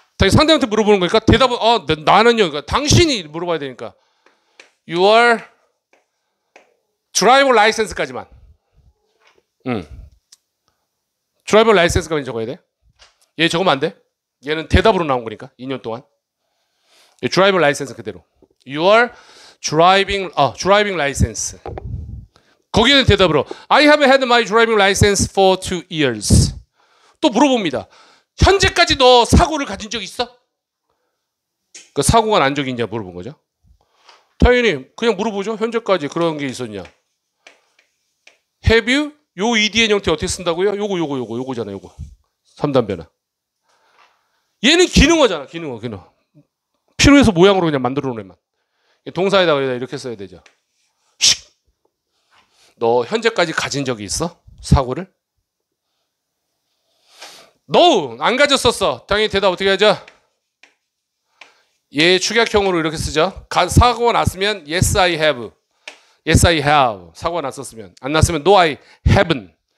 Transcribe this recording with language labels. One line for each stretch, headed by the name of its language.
Korean: 상대한테 물어보는 거니까 대답은 나는요. 그러니까 당신이 물어봐야 되니까 your driver license까지만. 드라이버 라이센스까지 적어야 돼? 얘 적으면 안 돼? 얘는 대답으로 나온 거니까 2년 동안. 드라이버 라이센스 그대로.
English: Your driving, driving license.
Korean: 거기에는 대답으로
English: I have had my driving license for 2 years.
Korean: 또 물어봅니다. 현재까지 너 사고를 가진 적 있어? 그 사고가 난 적이 있냐 물어본 거죠. 당연히 그냥 물어보죠. 현재까지 그런 게 있었냐.
English: Have you?
Korean: 요 EDN 형태 어떻게 쓴다고요? 요거잖아요. 요거 3단 변화. 얘는 기능어잖아. 기능어. 필요해서 모양으로 그냥 만들어 놓으면 동사에다가 이렇게 써야 되죠. 쉿. 너 현재까지 가진 적이 있어? 사고를? No, 안 가졌었어. 당연히 대답 어떻게 하죠? 얘 축약형으로 이렇게 쓰죠. 사고가 났으면
English: Yes, I have. Yes, I have.
Korean: 사고가 났었으면. 안 났으면
English: No, I haven't.